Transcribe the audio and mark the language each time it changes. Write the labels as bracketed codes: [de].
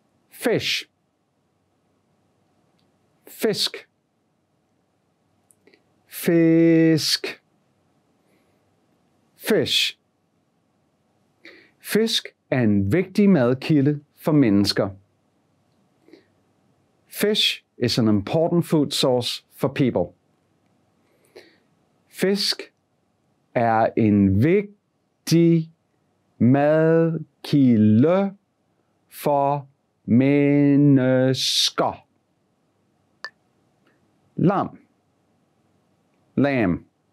[en] Fish. [da] Fisk. Fisk. [en] Fish. [da] Fisk er en vigtig madkilde for mennesker. [en] Fish is an important food source for people. [da] Fisk er en vigtig madkilde for mennesker. Lam. Lam.